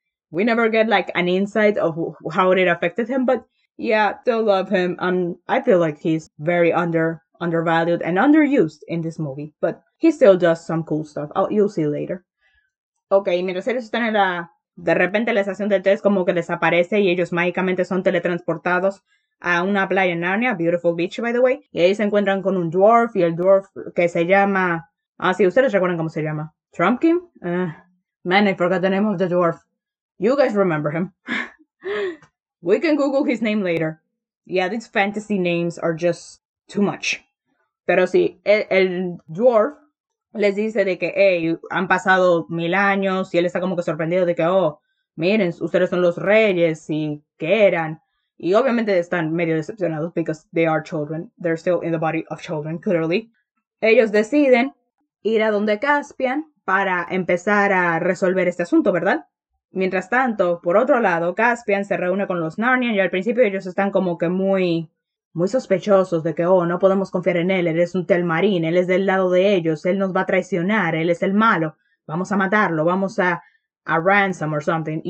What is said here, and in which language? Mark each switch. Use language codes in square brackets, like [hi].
[en] We never get like an insight of how it affected him, but yeah, still love him. I feel like he's very undervalued and underused in this movie, but he still does some cool stuff. You'll see later. [es] Okay, mientras ellos están en la... De repente la estación del test como que desaparece y ellos mágicamente son teletransportados a una playa en Narnia, [en] beautiful beach, by the way, [es] y ahí se encuentran con un dwarf, y el dwarf que se llama... Ah, sí, ¿ustedes recuerdan cómo se llama? ¿Trumpkin? [en] Man, I forgot the name of the dwarf. You guys remember him. We can Google his name later. Yeah, these fantasy names are just too much. [es] Pero sí, el dwarf les dice de que, hey, han pasado 1000 años, y él está como que sorprendido de que, oh, miren, ustedes son los reyes, y ¿qué eran? Y obviamente están medio decepcionados [en] because they are children. They're still in the body of children, clearly. [es] Ellos deciden ir a donde Caspian para empezar a resolver este asunto, ¿verdad? Mientras tanto, por otro lado, Caspian se reúne con los Narnian, y al principio ellos están como que muy... muy sospechosos de que, oh, no podemos confiar en él, él es un Telmarín, él es del lado de ellos, él nos va a traicionar, él es el malo, vamos a matarlo, vamos a [en] ransom or something.